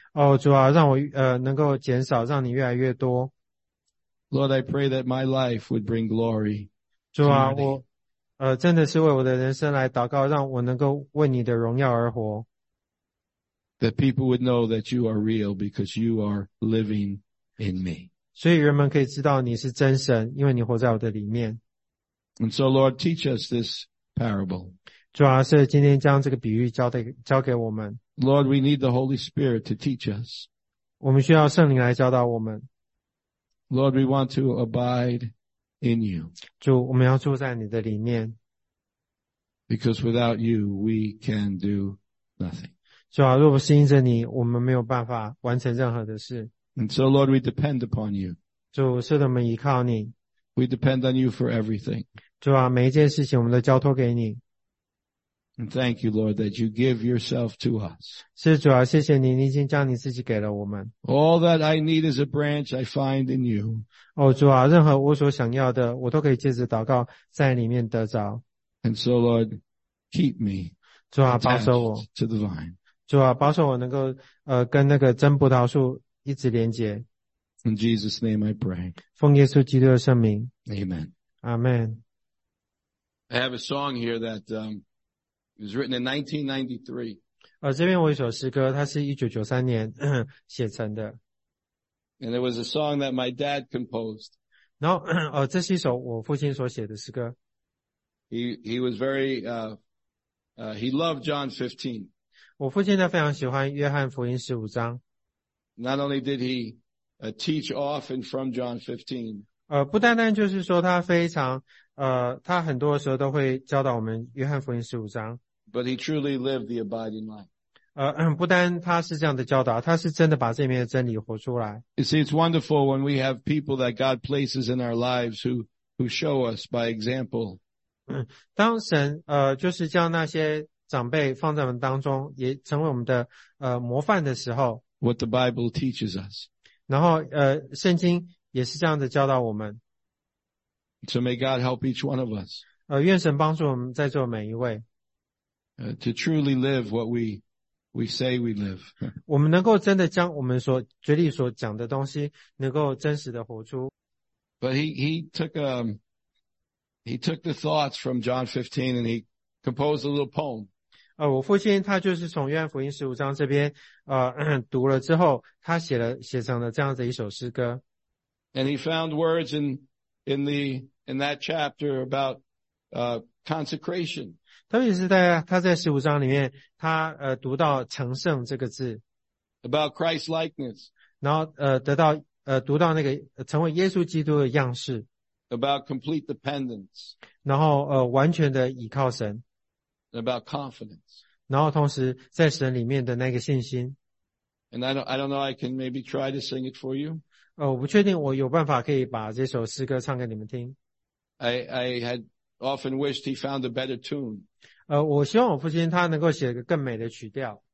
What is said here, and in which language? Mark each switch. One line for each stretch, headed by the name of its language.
Chinese: 哦，主啊，让我能够减少，让你越来越多。
English: Lord, I pray that my life would bring glory.
Chinese: 主啊，我真的是为我的人生来祷告，让我能够为你的荣耀而活。
English: That people would know that you are real because you are living in me.
Chinese: 所以人们可以知道你是真神，因为你活在我的里面。
English: And so, Lord, teach us this parable.
Chinese: 主啊，是今天将这个比喻交给我们。
English: Lord, we need the Holy Spirit to teach us.
Chinese: 我们需要圣灵来教导我们。
English: Lord, we want to abide in you.
Chinese: 主，我们要住在你的里面。
English: Because without you, we can do nothing.
Chinese: 主啊，若不是因着你，我们没有办法完成任何的事。
English: And so, Lord, we depend upon you.
Chinese: 主，是的，我们依靠你。
English: We depend on you for everything.
Chinese: 主啊，每一件事情我们都交托给你。
English: And thank you, Lord, that you give yourself to us.
Chinese: 是主啊，谢谢你，你已经将你自己给了我们。
English: All that I need is a branch I find in you.
Chinese: 哦，主啊，任何我所想要的，我都可以借着祷告在里面得着。
English: And so, Lord, keep me.
Chinese: 主啊，保守我。
English: To the vine.
Chinese: 主啊，保守我能够跟那个真葡萄树一直连接。
English: In Jesus' name I pray.
Chinese: 奉耶稣基督的圣名。
English: Amen. Amen. I have a song here that, it was written in 1993.
Chinese: 这边我有一首诗歌，它是1993年写成的。
English: And it was a song that my dad composed.
Chinese: 然后这是一首我父亲所写的诗歌。
English: He was very, he loved John 15.
Chinese: 我父亲呢非常喜欢约翰福音15章。
English: Not only did he teach off and from John 15.
Chinese: 不单单就是说他非常他很多时候都会教导我们约翰福音十五章。
English: But he truly lived the abiding life.
Chinese: 不单他是这样的教导，他是真的把这面的真理活出来。
English: You see, it's wonderful when we have people that God places in our lives who show us by example.
Chinese: 当神就是将那些长辈放在我们当中，也成为我们的模范的时候。
English: What the Bible teaches us.
Chinese: 然后圣经也是这样的教导我们。
English: So may God help each one of us.
Chinese: 愿神帮助我们在座每一位。
English: To truly live what we say we live.
Chinese: 我们能够真的将我们所嘴里所讲的东西能够真实的活出。
English: But he took the thoughts from John 15 and he composed a little poem.
Chinese: 我父亲他就是从约翰福音十五章这边读了之后，他写成了这样的一首诗歌。
English: And he found words in that chapter about consecration.
Chinese: 特别是他在十五章里面，他读到成圣这个字。
English: About Christ likeness.
Chinese: 然后读到那个成为耶稣基督的样式。
English: About complete dependence.
Chinese: 然后完全的倚靠神。
English: About confidence.
Chinese: 然后同时在神里面的那个信心。
English: And I don't know, I can maybe try to sing it for you.
Chinese: 我不确定我有办法可以把这首诗歌唱给你们听。
English: I had often wished he found a better tune.
Chinese: 我希望我父亲他能够写个更美的曲调。